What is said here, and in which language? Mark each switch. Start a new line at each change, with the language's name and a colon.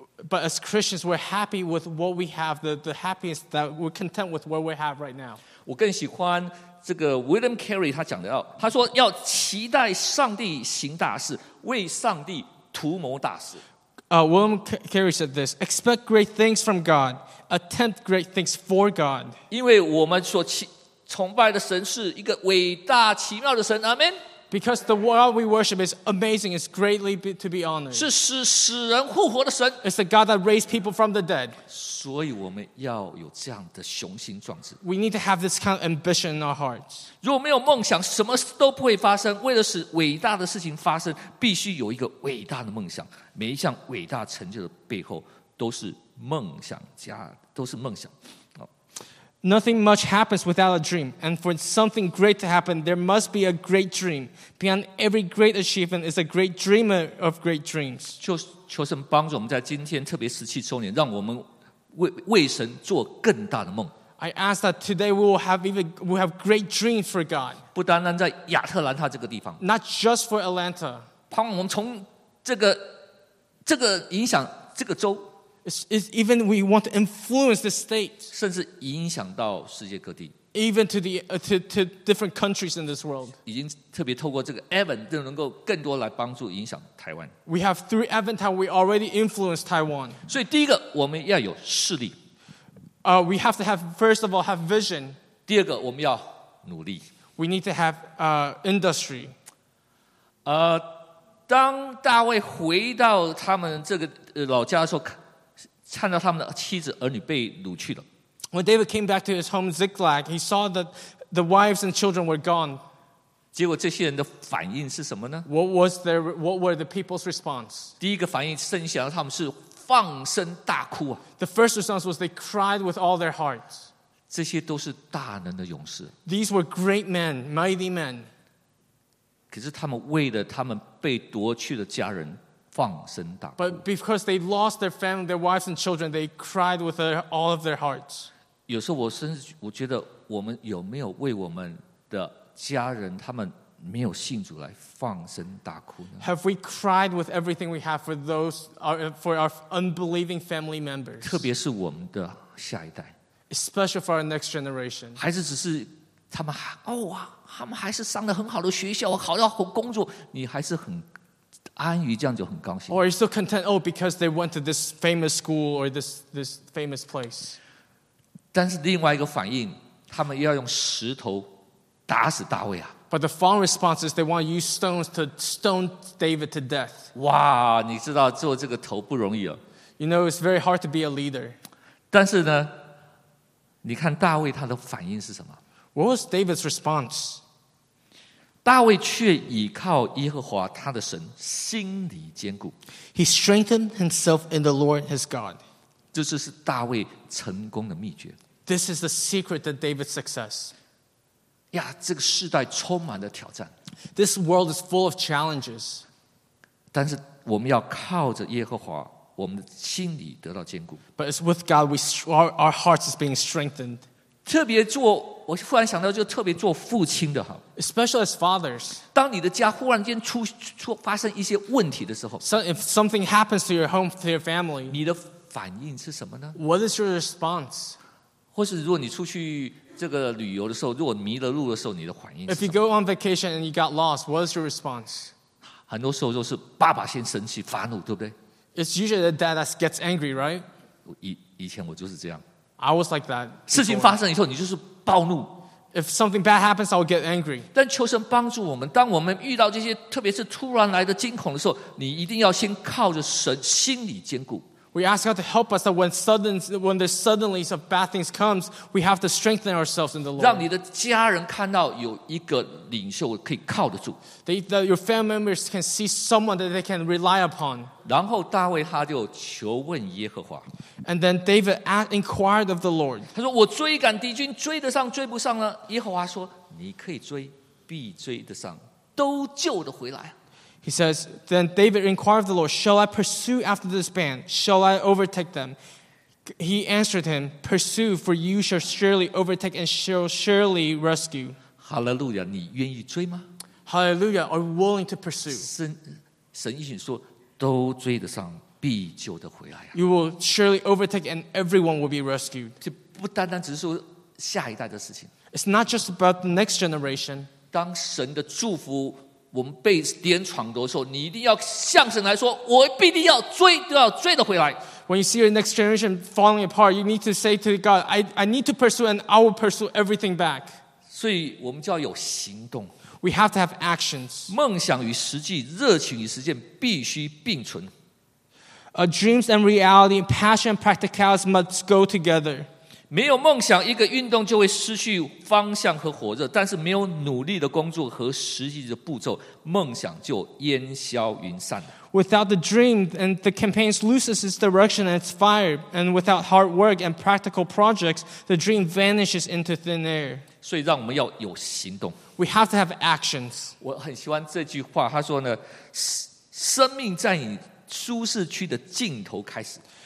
English: But as Christians, we're happy with what we have, the happiest that we're content with what we have right now.
Chinese: 我更喜欢这个 William Carey 他讲的要，他说要期待上帝行大事，为上帝图谋大事。
English: William Carey said this, expect great things from God, attempt great things for God.
Chinese: 因为我们所崇拜的神是一个伟大奇妙的神， Amen。
English: Because the God we worship is amazing, is greatly to be honored.
Chinese: 是使死人复活的神。
English: It's the God that raised people from the dead.
Chinese: 所以我们要有这样的雄心壮志。
English: We need to have this kind of ambition in our hearts.
Chinese: 如果没有梦想，什么都不会发生。为了使伟大的事情发生，必须有一个伟大的梦想。每一项伟大成就的背后，都是梦想家，都是梦想。
English: Nothing much happens without a dream, and for something great to happen, there must be a great dream. Behind every great achievement is a great dreamer of great dreams.
Chinese: 求神帮助我们在今天特别17周年，让我们 为神做更大的梦。
English: I ask that today we will have great dreams for God.
Chinese: 不单单在亚特兰大这个地方。
English: Not just for Atlanta.
Chinese: 盼望我们从这个影响这个州。
English: Is even we want to influence the state,
Chinese: 甚至影响到世界各地
English: even to different countries in this world.
Chinese: 已经特别透过这个 Evan 就能够更多来帮助影响台湾
English: We have through Evan Town, we already influenced Taiwan.
Chinese: 所以第一个我们要有势力
English: We have to have first of all have vision.
Chinese: 第二个我们要努力
English: We need to have industry.
Chinese: 当大卫回到他们这个老家的时候。看到他们的妻子儿女被掳去了。
English: When David came back to his home Ziklag, he saw that the wives and children were gone.
Chinese: 结果这些人的反应是什么呢？
English: What were the people's response?
Chinese: 第一个反应，剩下的他们是放声大哭啊。
English: The first response was they cried with all their hearts.
Chinese: 这些都是大能的勇士。
English: These were great men, mighty men.
Chinese: 可是他们为了他们被夺去的家人。
English: But because they lost their family, their wives and children, they cried with all of their hearts.
Chinese: 有时候我甚至我觉得我们有没有为我们的家人他们没有信主来放声大哭呢？
English: Have we cried with everything we have for our unbelieving family members?
Chinese: 特别是我们的下一代。
English: Especially for our next generation.
Chinese: 孩子只是他们他们还是上了很好的学校，好的好工作，你还是很。安于这样就很高兴。
English: Or are you still content? Oh, because they went to this famous school or this famous place.
Chinese: 但是另外一个反应，他们要用石头打死大卫啊。
English: But the final response is they want to use stones to stone David to death.
Chinese: 哇，你知道做这个头不容易啊。
English: You know it's very hard to be a leader.
Chinese: 但是呢，你看大卫他的反应是什么
English: ？What was David's response?
Chinese: 大卫却倚靠耶和华他的神，心里坚固。
English: He strengthened himself in the Lord his God.
Chinese: 这就是大卫成功的秘诀。
English: This is the secret to David's success.
Chinese: 呀，这个世代充满了挑战。
English: This world is full of challenges.
Chinese: 但是我们要靠着耶和华，我们的心里得到坚固。
English: But it's with God, our hearts is being strengthened.
Chinese: 特别做，我忽然想到，就特别做父亲的哈。
English: Especially as fathers,
Chinese: 当你的家忽然间出发生一些问题的时候
English: ，So if something happens to your home, to your family,
Chinese: 你的反应是什么呢
English: ？What is your response?
Chinese: 或是如果你出去这个旅游的时候，如果迷了路的时候，你的反应是什么
English: ？If you go on vacation and you got lost, what is your response?
Chinese: 很多时候都是爸爸先生气发怒，对不对
English: ？It's usually the dad that gets angry, right?
Chinese: 以前我就是这样。
English: I was like that.
Chinese: 事情发生以后，你就是暴怒。
English: If something bad happens, I will get angry.
Chinese: 但求神帮助我们，当我们遇到这些，特别是突然来的惊恐的时候，你一定要先靠着神，心里坚固。
English: We ask God to help us that when the suddenly of bad things comes, we have to strengthen ourselves in the Lord.
Chinese: 让你的家人看到有一个领袖可以靠得住。
English: That your family members can see someone that they can rely upon.
Chinese: 然后大卫他就求问耶和华。
English: And then David inquired of the Lord.
Chinese: 他说我追赶敌军追得上追不上呢？耶和华说你可以追，必追得上，都救得回来。
English: He says, then David inquired of the Lord, shall I pursue after this band? Shall I overtake them? He answered him, Pursue, for you shall surely overtake and shall surely rescue.
Chinese: Hallelujah, 你愿意追吗?
English: Hallelujah, are you willing to pursue?
Chinese: 神应许说,都追得上,必救得回来啊。
English: You will surely overtake and everyone will be rescued.
Chinese: 这不单单只是说下一代的事情。
English: It's not just about the next generation.
Chinese: 当神的祝福我们被连闯夺的时候，你一定要向神来说，我必定要追，都要追得回来。
English: When you see your next generation falling apart, you need to say to God, I need to pursue and I will pursue everything back.
Chinese: 所以我们就要有行动。
English: We have to have actions.
Chinese: 梦想与实际，热情与实践必须并存。
English: Dreams and reality, passion and practicality must go together.
Chinese: 没有梦想，一个运动就会失去方向和火热，但是没有努力的工作和实际的步骤，梦想就烟消云散了。
English: Without the dream, and the campaign loses its direction and its fire. And without hard work and practical projects, the dream vanishes into thin air.
Chinese: 所以让我们要有行动。
English: We have to have actions.
Chinese: 我很喜欢这句话，他说呢，生命在你舒适区的尽头开始。